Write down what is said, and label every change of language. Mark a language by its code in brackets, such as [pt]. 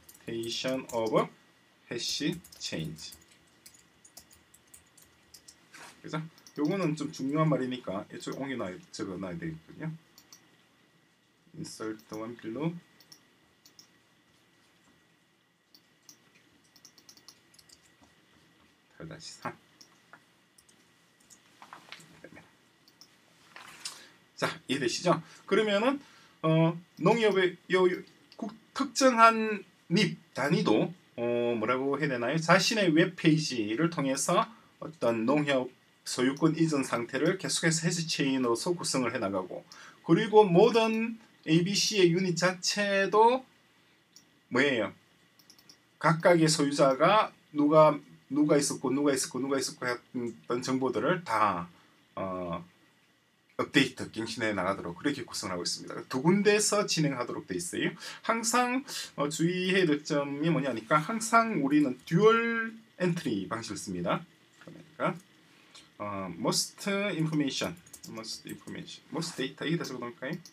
[en] location of hash change. [ko] 그래서 요거는 좀 중요한 말이니까 이쪽에 옮겨놔 적어놔야 되겠군요. [en] Insert the one below. 8-3. [ko] 자, 이해되시죠? 그러면은 농협의 요 특정한 립 단위도 뭐라고 해야 되나요? 자신의 웹페이지를 통해서 어떤 농협 소유권 이전 상태를 계속해서 해시 체인으로서 구성을 해나가고, 그리고 모든 ABC의 유닛 자체도 뭐예요? 각각의 소유자가 누가 있었고 했던 정보들을 다 업데이트 갱신해 나가도록 그렇게 구성을 하고 있습니다. 두 군데에서 진행하도록 돼 있어요. 항상 주의해야 될 점이 뭐냐니까, 항상 우리는 듀얼 엔트리 방식을 씁니다. 그러니까 [en] most information, most information, most data [ko] 이게 다시 볼까요?